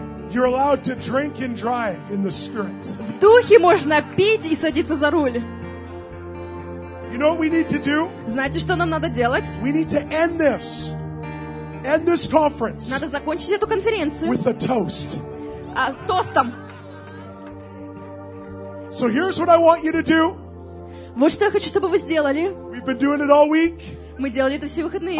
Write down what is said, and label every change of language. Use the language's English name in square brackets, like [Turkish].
[English] You're allowed to drink and drive in the Spirit. [Russian] В духе можно пить и садиться за руль. [English] You know what we need to do? [Russian] Знаете, что нам надо делать? [English] We need to end this. End this conference. [Russian] Надо закончить эту конференцию. [English] With a toast. [Russian] Тостом. [English] So here's what I want you to do. [Russian] Вот что я хочу, чтобы вы сделали. [English] We've been doing it all week. [Russian] Мы делали это все выходные.